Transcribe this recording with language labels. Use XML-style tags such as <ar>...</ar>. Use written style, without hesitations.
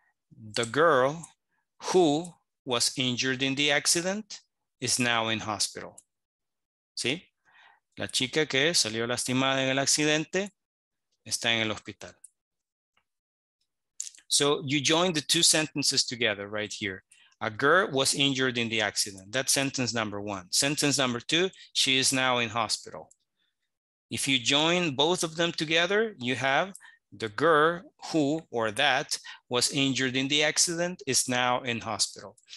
<en>The girl who was injured in the accident is now in hospital.</en> <es>¿Sí? La chica que salió lastimada en el accidente está en el hospital.</es> <en>So you join the two sentences together right here. A girl was injured in the accident. That's sentence number one. Sentence number two, she is now in hospital. If you join both of them together, you have the girl who or that was injured in the accident is now in hospital.</en>